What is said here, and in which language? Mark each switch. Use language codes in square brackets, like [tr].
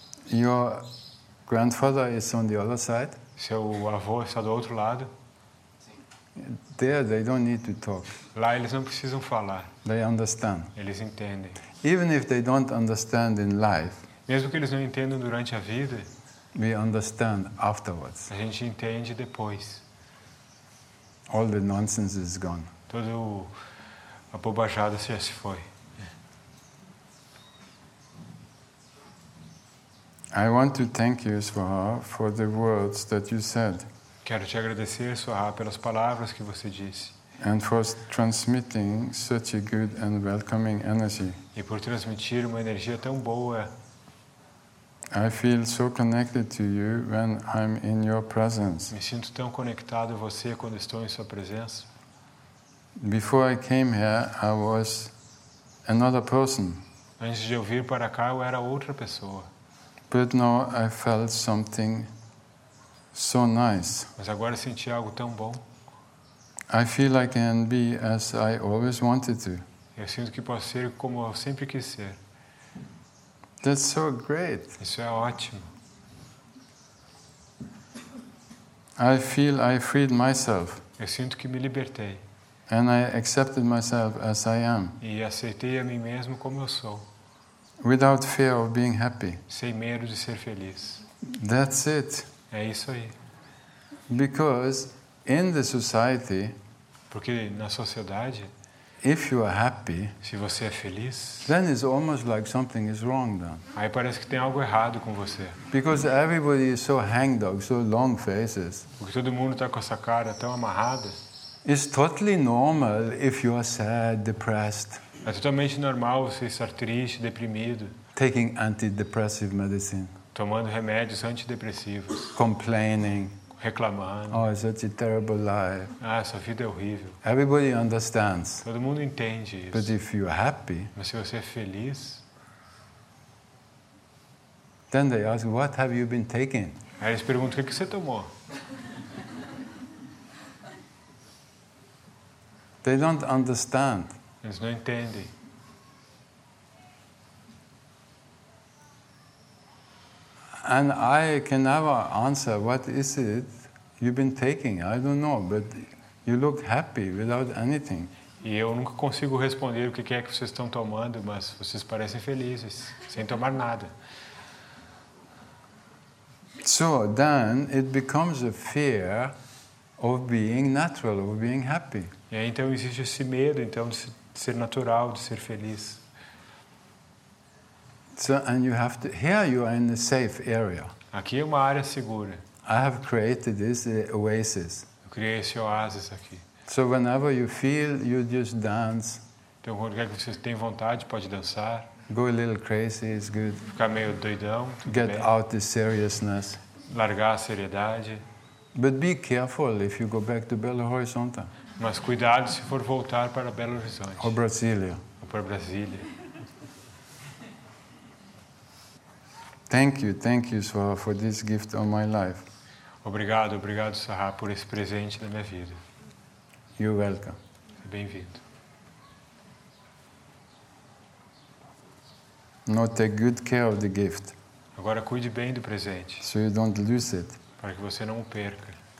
[en] Your grandfather is on the other side. [pt] Seu avô está do outro lado. [en] There they don't need to talk. [pt] Lá eles não precisam falar. [en] They understand. [pt] Eles entendem. [en] Even if they don't understand in life. [pt] Mesmo que eles não entendam durante a vida. [en] We understand afterwards. [pt] A gente entende depois. [en] All the nonsense is gone. [pt] Todo a bobajada já se foi. [en] I want to thank you, Swaha, for the words that you said. [pt] Quero te agradecer, Swaha, pelas palavras que você disse. [en] And for transmitting such a good and welcoming energy. [pt] E por transmitir uma energia tão boa. [en] I feel so connected to you when I'm in your presence. [pt] Me sinto tão conectado a você quando estou em sua presença. [en] Before I came here, I was another person. [pt] Antes de eu vir para cá, eu era outra pessoa. [en] But now I felt something so nice. [pt] Mas agora senti algo tão bom. [en] I feel I can be as I always wanted to. [pt] Eu sinto que posso ser como eu sempre quis ser. [en] That's so great. [pt] Isso é ótimo. [en] I feel I freed myself. [pt] Eu sinto que me libertei. [en] And I accepted myself as I am. [pt] E aceitei a mim mesmo como eu sou. [en] Without fear of being happy. [pt] Sem medo de ser feliz. [en] That's it. [pt] É isso aí. [en] Because in the society, [pt] porque na sociedade, [en] if you are happy, [pt] se você é feliz, [en] then it's almost like something is wrong then. [pt] Aí parece que tem algo errado com você. [en] Because everybody is so hangdog, so long faces. [pt] Porque todo mundo está com essa cara tão amarrada. [en] It's totally normal if you are sad, depressed. [pt] É totalmente normal você estar triste, deprimido. [en] Taking antidepressive medicine. [pt] Tomando remédios antidepressivos. [en] Complaining. [pt] Reclamando. [en] Oh, such a terrible life. [pt] Ah, essa vida é horrível. [en] Everybody understands. [pt] Todo mundo entende isso. [en] But if you are happy, [pt] mas se você é feliz, [en] then they ask, what have you been taking? [pt] Aí eles perguntam, o que você tomou? [en] They don't understand. [pt] Eles não entendem. [en] And I can never answer, what is it you've been taking? I don't know, but you look happy without anything. [pt] E eu nunca consigo responder o que é que vocês estão tomando, mas vocês parecem felizes, sem tomar nada. [en] So then it becomes a fear of being natural, of being happy. [pt] E aí, então existe esse medo então de ser natural, de ser feliz. [en] So, and you have to, here you are in a safe area. [pt] Aqui é uma área segura. [en] I have created this oasis. [pt] Eu criei esse oásis aqui. [en] So whenever you feel, you just dance. [pt] Então, quando quer que você tenha vontade, pode dançar. [en] Go a little crazy, it's good. [pt] Ficar meio doidão, tudo get bem. [en] Out the seriousness. [pt] Largar a seriedade. [en] But be careful if you go back to Belo Horizonte. [pt] Mas cuidado se for voltar para Belo Horizonte. Ou Brasília. Ou para Brasília. [en] Thank you, Sahar, for this gift of my life. [pt] Obrigado, Sahar, por esse presente da minha vida. [en] You're welcome. [pt] Bem-vindo. [en] Now take good care of the gift. [pt] Agora cuide bem do presente. [en] So you don't lose it. [pt] Para que você não o perca.